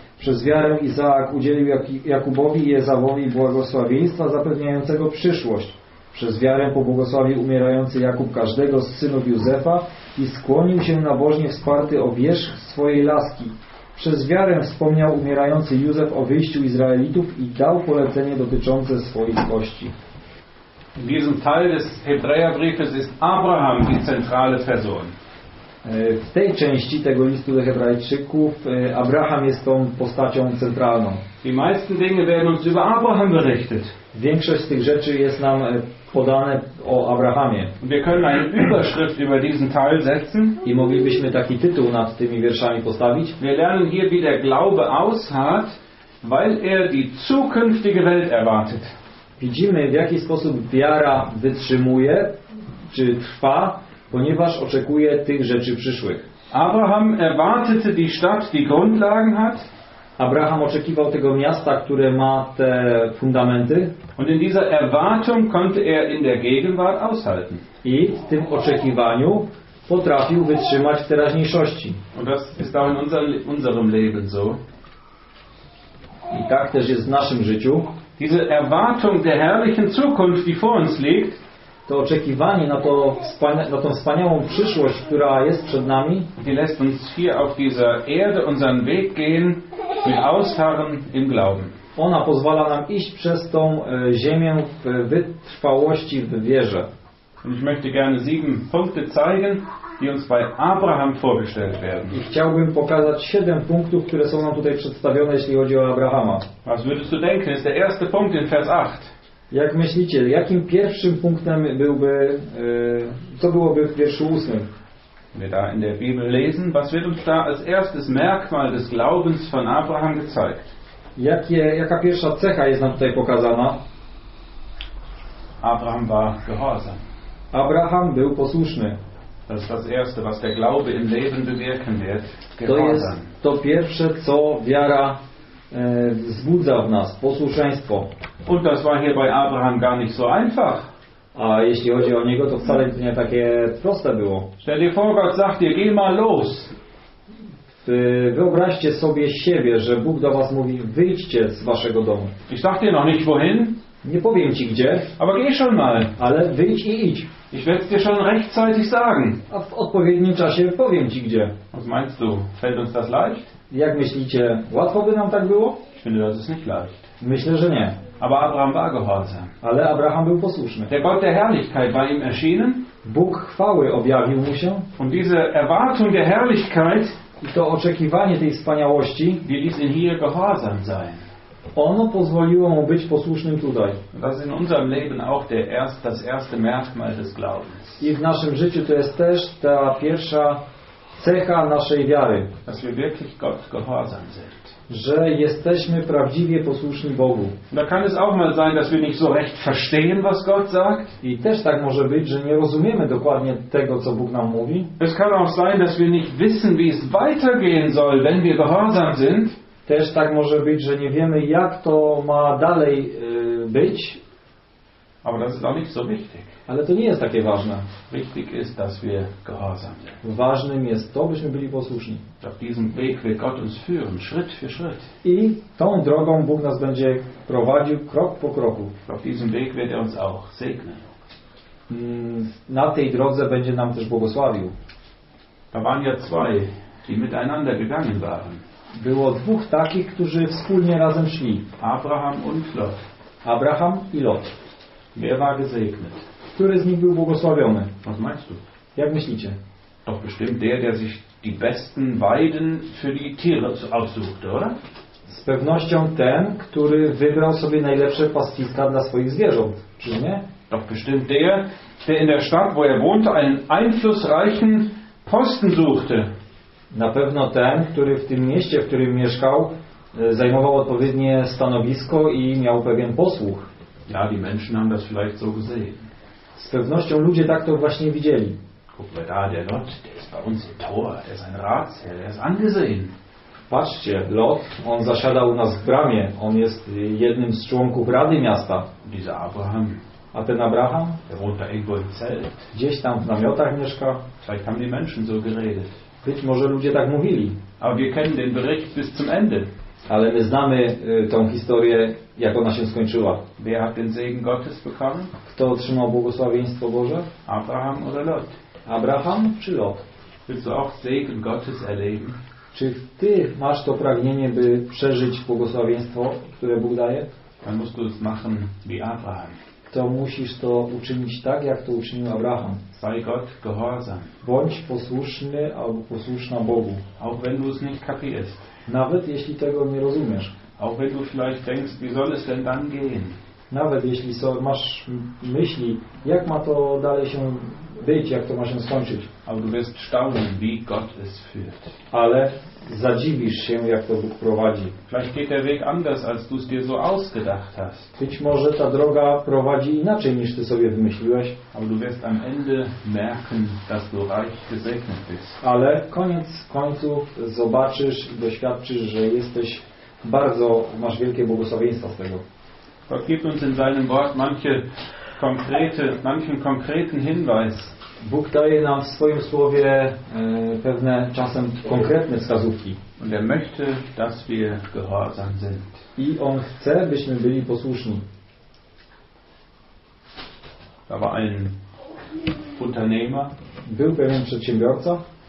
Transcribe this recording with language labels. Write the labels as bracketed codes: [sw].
[pl] Przez wiarę Izaak udzielił Jakubowi i Ezawowi błogosławieństwa zapewniającego przyszłość. Przez wiarę pobłogosławił umierający Jakub każdego z synów Józefa i skłonił się nabożnie wsparty o wierzch swojej laski. Przez wiarę wspomniał umierający Józef o wyjściu Izraelitów i dał polecenie dotyczące swoich kości. [de] W diesem Teil des Hebräerbriefes ist Abraham die zentrale Person. [pl] W tej części tego listu do Hebrajczyków Abraham jest tą postacią centralną. [de] Die meisten Dinge werden uns über Abraham berichtet. [pl] Większość z tych rzeczy jest nam podane o Abrahamie. [de] Wir können eine Überschrift über diesen Teil setzen. [pl] I moglibyśmy taki tytuł nad tymi wierszami postawić. [de] Wir lernen hier, wie der Glaube ausharrt, weil er die zukünftige Welt erwartet. [pl] Widzimy, w jaki sposób wiara wytrzymuje, czy trwa, ponieważ oczekuje tych rzeczy przyszłych. [de] Abraham erwartete die Stadt, die Grundlagen hat. [pl] Abraham oczekiwał tego miasta, które ma te fundamenty. [de] Und in dieser Erwartung konnte er in der Gegenwart aushalten. [pl] I w tym oczekiwaniu potrafił wytrzymać w teraźniejszości. [de] Und das ist auch in unserem Leben so. [pl] I tak też jest w naszym życiu. [de] Diese Erwartung der herrlichen Zukunft, die vor uns liegt. [pl] To oczekiwanie na to na tą wspaniałą przyszłość, która jest przed nami, [de] die lässt uns hier auf dieser Erde unseren Weg gehen mit Ausharren im Glauben. [pl] Ona pozwala nam iść przez tą ziemię w wytrwałości, w wierze. [de] Und ich möchte gerne 7 Punkte zeigen, die uns bei Abraham vorgestellt werden. [pl] I chciałbym pokazać 7 punktów, które są nam tutaj przedstawione, jeśli chodzi o Abrahama. [de] Was würdest du denken, ist der erste Punkt in Vers 8. [pl] Jak myślicie, jakim pierwszym punktem byłby, co byłoby w wierszu 8? [de] Wir da in der Bibel lesen, was wird uns da als erstes Merkmal des Glaubens von Abraham gezeigt? [pl] Jaka pierwsza cecha jest nam tutaj pokazana? [de] Abraham war gehorsam. [pl] Abraham był posłuszny. [de] Das ist das erste, was der Glaube im Leben bewirken wird. [pl] To jest to pierwsze, co wiara wzbudza w nas, posłuszeństwo. [de] Und das war hier bei Abraham gar nicht so einfach. [pl] A jeśli chodzi o niego, to wcale nie takie proste było. [de] Stell dir vor, Gott sagt dir, geh mal los. [pl] Wyobraźcie sobie siebie, że Bóg do was mówi, wyjdźcie z waszego domu. [de] Ich sag dir noch nicht wohin. [pl] Nie powiem ci gdzie. [de] Aber geh schon mal. [pl] Ale wyjdź i idź. [de] Ich werde dir schon rechtzeitig sagen. [pl] A w odpowiednim czasie powiem ci gdzie. [de] Was meinst du? Fällt uns das leicht? [pl] Jak myślicie, łatwo by nam tak było? [de] Ich finde, das ist nicht leicht. [pl] Myślę, że nie. [de] Aber Abraham war gehorsam. [pl] Ale Abraham był posłuszny. [de] Der Gott der Herrlichkeit war ihm erschienen. [pl] Bóg chwały objawił mu się. [de] Und diese Erwartung der Herrlichkeit, [pl] i to oczekiwanie tej wspaniałości, [de] wir ließen hier gehorsam sein. [pl] Ono pozwoliło mu być posłusznym tutaj. [de] Was in unserem Leben auch der erst, das erste Merkmal des Glaubens. [pl] I w naszym życiu to jest też ta pierwsza cecha naszej wiary, [de] dass wir wirklich Gott gehorsam sind. [pl] Że jesteśmy prawdziwie posłuszni Bogu. [de] Da kann es auch mal sein, dass wir nicht so recht verstehen, was Gott sagt. [pl] I też tak może być, że nie rozumiemy dokładnie tego, co Bóg nam mówi. [de] Es kann auch sein, dass wir nicht wissen, wie es weitergehen soll, wenn wir gehorsam sind. [pl] Też tak może być, że nie wiemy, jak to ma dalej być. [de] Aber das ist auch nicht so wichtig. [pl] Ale to nie jest takie ważne. [de] Wichtig ist, dass wir gehorsam sind. [pl] Ważnym jest to, byśmy byli posłuszni. [de] Auf diesem Weg wird Gott uns führen, Schritt für Schritt. [pl] I tą drogą Bóg nas będzie prowadził krok po kroku. [de] Auf diesem Weg wird uns auch segnen. [pl] Na tej drodze będzie nam też błogosławił. [de] Da waren ja zwei, die miteinander gegangen waren. [pl] Było dwóch takich, którzy wspólnie razem szli. [de] Abraham und Lot. [pl] Abraham i Lot. [de] Wer war gesegnet? [pl] Który z nich był błogosławiony? [de] Was meinst du? [pl] Jak myślicie? [de] Doch bestimmt der, der sich die besten Weiden für die Tiere aussuchte, oder? [pl] Z pewnością ten, który wybrał sobie najlepsze pastwiska dla swoich zwierząt, czy nie? [de] Doch bestimmt der, der in der Stadt, wo er wohnte, einen einflussreichen Posten suchte. [pl] Na pewno ten, który w tym mieście, w którym mieszkał, zajmował odpowiednie stanowisko i miał pewien posłuch. [de] Ja, die Menschen haben das vielleicht so gesehen. [pl] Z pewnością ludzie tak to właśnie widzieli. [de] Guck mal da, der Lot, der ist bei uns im Tor, der ist ein Ratsherr, der ist angesehen. [pl] Patrzcie, Lot, on zasiada u nas w bramie, on jest jednym z członków Rady Miasta. [de] Dieser Abraham. [pl] A ten Abraham? [de] Der wohnt da irgendwo im Zelt. [pl] Gdzieś tam w namiotach mieszka. [de] Vielleicht haben die Menschen so geredet. [pl] Być może ludzie tak mówili. [de] Aber wir kennen den Bericht bis zum Ende. [pl] Ale my znamy tą historię, jak ona się skończyła. [de] Wer hat den Segen Gottes bekommen? [pl] Kto otrzymał błogosławieństwo Boże? [de] Abraham oder Lot? [pl] Abraham czy Lot? [de] Willst du auch Segen Gottes erleben? [pl] Czy ty masz to pragnienie, by przeżyć błogosławieństwo, które Bóg daje? [de] Dann musst du es machen wie Abraham. [pl] To musisz to uczynić tak, jak to uczynił Abraham. [de] Sei Gott gehorsam. [pl] Bądź posłuszny albo posłuszna Bogu. [de] Auch wenn du es nicht kapierst. [pl] Nawet jeśli tego nie rozumiesz. [de] Auch wenn du vielleicht denkst, wie soll es denn dann gehen? [pl] Nawet jeśli masz myśli, jak ma to dalej się być, jak to ma się skończyć. [de] Aber du wirst staunen, wie Gott es führt. [pl] Ale zadziwisz się, jak to Bóg prowadzi. [de] Vielleicht geht der Weg anders, als du es dir so ausgedacht hast. [pl] Być może ta droga prowadzi inaczej, niż ty sobie wymyśliłeś. [de] Aber du wirst am Ende merken, dass du reich gesegnet bist. [pl] Ale koniec końców zobaczysz i doświadczysz, że jesteś bardzo, masz wielkie błogosławieństwa z tego. [de] Gott gibt uns in seinem Wort manchen konkreten Hinweis. [pl] Bóg daje nam w swoim słowie pewne czasem konkretne wskazówki. [de] Und er möchte, dass wir gehorsam sind. [pl] I on chce, byśmy byli posłuszni. [de] Da war ein Unternehmer. [pl] Był pewien przedsiębiorca.